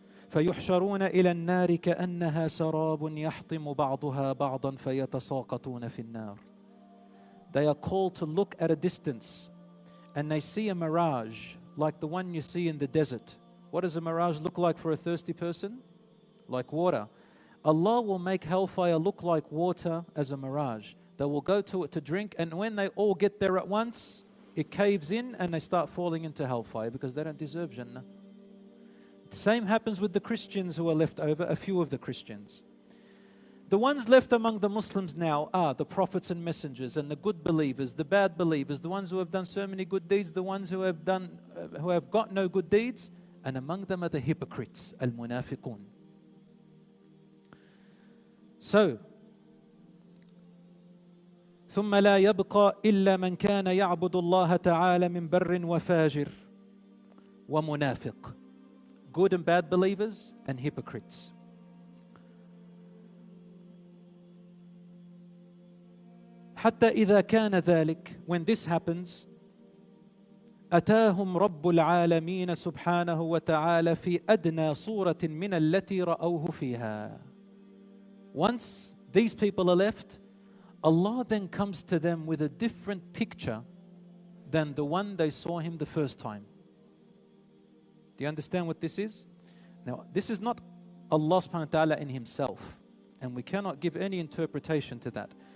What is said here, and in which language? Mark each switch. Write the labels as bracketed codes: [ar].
[ar] فيحشرون إلى النار كأنها سراب يحطم بعضها بعضا فيتساقطون في النار. [en] They are called to look at a distance and they see a mirage like the one you see in the desert. What does a mirage look like for a thirsty person? Like water. Allah will make hellfire look like water as a mirage. They will go to it to drink, and when they all get there at once, it caves in and they start falling into hellfire because they don't deserve Jannah. Same happens with the Christians who are left over, a few of the Christians. The ones left among the Muslims now are the prophets and messengers and the good believers, the bad believers, the ones who have done so many good deeds, the ones who have got no good deeds, and among them are the hypocrites, al-munafiqun. [ar] So, ثُمَّ لَا يَبْقَى إِلَّا مَنْ كَانَ يَعْبُدُ اللَّهَ تَعَالَى مِنْ بَرٍ وَفَاجِرٍ وَمُنَافِقٍ. [en] Good and bad believers and hypocrites. [ar] حتى إذا كان ذلك, [en] when this happens, [ar] أتاهم رب العالمين سبحانه وتعالى في أدنى صورة من التي رأوه فيها. [en] Once these people are left, Allah then comes to them with a different picture than the one they saw him the first time. Do you understand what this is? Now, this is not Allah subhanahu wa ta'ala in himself, and we cannot give any interpretation to that.